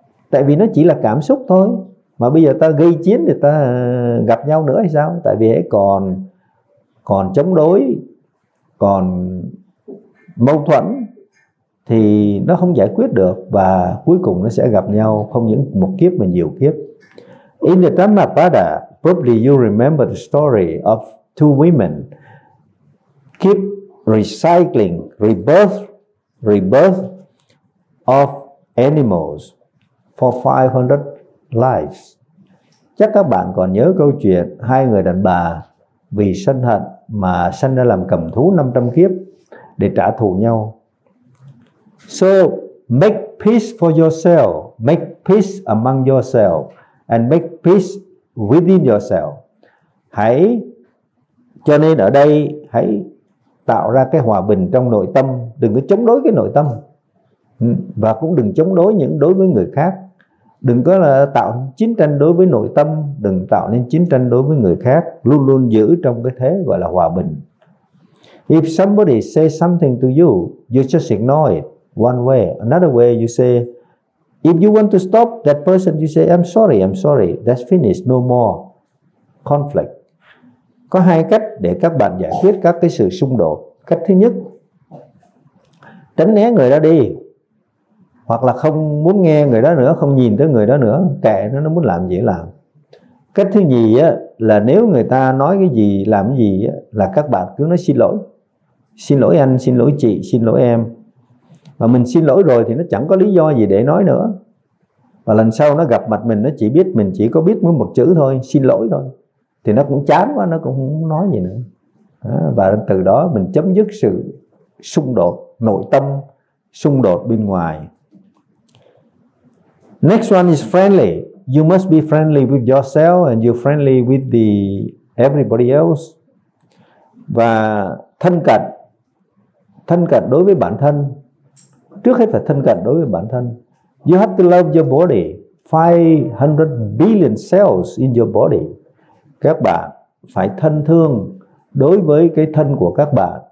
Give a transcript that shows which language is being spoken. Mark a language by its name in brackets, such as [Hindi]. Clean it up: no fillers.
[Vietnamese] Tại vì nó chỉ là cảm xúc thôi. Mà bây giờ ta gây chiến thì ta gặp nhau nữa hay sao? Tại vì ấy còn chống đối, còn mâu thuẫn, thì nó không giải quyết được. Và cuối cùng nó sẽ gặp nhau không những một kiếp mà nhiều kiếp. [English] In the Dhammapada, probably you remember the story of two women keep recycling rebirth of animals for 500 lives. [Vietnamese] Chắc các bạn còn nhớ câu chuyện hai người đàn bà vì sân hận mà sanh ra làm cầm thú 500 kiếp để trả thù nhau. [English] So make peace for yourself, make peace among yourself, and make peace within yourself. [Vietnamese] Hãy cho nên ở đây hãy tạo ra cái hòa bình trong nội tâm, đừng có chống đối cái nội tâm, và cũng đừng chống đối những đối với người khác, đừng có là tạo chiến tranh đối với nội tâm, đừng tạo nên chiến tranh đối với người khác, luôn luôn giữ trong cái thế gọi là hòa bình. [English] If somebody says something to you, you just ignore it one way. Another way you say, if you want to stop that person, you say, I'm sorry, that's finished, no more conflict. [Vietnamese] Có hai cách để các bạn giải quyết các cái sự xung đột. Cách thứ nhất, tránh né người đó đi, hoặc là không muốn nghe người đó nữa, không nhìn tới người đó nữa, kệ nó muốn làm gì làm. Cách thứ nhì á, là nếu người ta nói cái gì, làm cái gì á, là các bạn cứ nói xin lỗi. Xin lỗi anh, xin lỗi chị, xin lỗi em. Mà mình xin lỗi rồi thì nó chẳng có lý do gì để nói nữa. Và lần sau nó gặp mặt mình, nó chỉ biết mình chỉ có biết mới một chữ thôi, xin lỗi thôi. Thì nó cũng chán quá, nó cũng không nói gì nữa. Và từ đó mình chấm dứt sự xung đột nội tâm, xung đột bên ngoài. [English] Next one is friendly. You must be friendly with yourself and you're friendly with the everybody else. [Vietnamese] Và thân cận đối với bản thân. Trước hết phải thân cận đối với bản thân. [English] You have to love your body. 500 billion cells in your body. [Vietnamese] Các bạn phải thân thương đối với cái thân của các bạn.